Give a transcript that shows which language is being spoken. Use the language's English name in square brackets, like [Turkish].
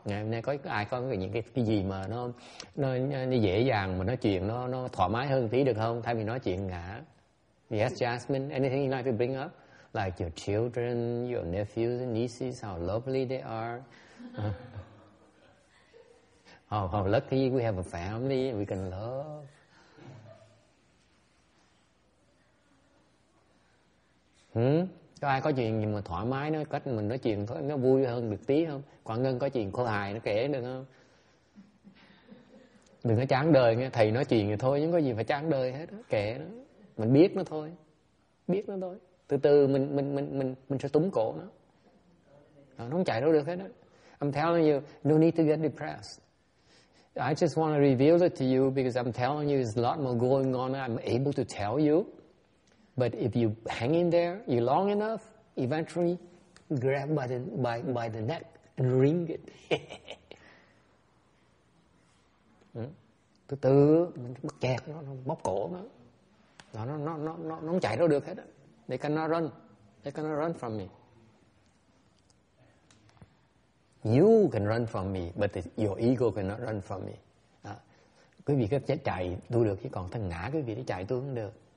[Vietnamese] Ngày hôm nay có ai có những cái gì mà nó dễ dàng mà nói chuyện nó thoải mái hơn tí được không? Thay vì nói chuyện ngã. [English] Yes, Jasmine, anything you'd like to bring up? Like your children, your nephews and nieces, how lovely they are. how lucky we have a family we can love. [Vietnamese] Có ai có chuyện gì mà thoải mái nó cách mình nói chuyện nó vui hơn được tí không? Quảng Ngân có chuyện cô hài nó kể được không? Đừng có chán đời nghe. Thầy nói chuyện thì thôi, nhưng có gì phải chán đời hết đó. Kể nó, mình biết nó thôi. Biết nó thôi. Từ từ mình sẽ túm cổ nó. Nó không chạy đâu được hết đó. [English] I'm telling you, no need to get depressed. I just want to reveal it to you because I'm telling you there's a lot more going on than I'm able to tell you. But if you hang in there, you long enough, eventually grab by the neck and wring it. Từ từ mình bắt chẹt nó bóp cổ nó không chạy đâu được hết. They cannot run from me. You can run from me, but your ego cannot run from me. [Vietnamese] Quý vị có thể chạy tôi được, chứ còn thằng ngã quý vị thì chạy tôi không được.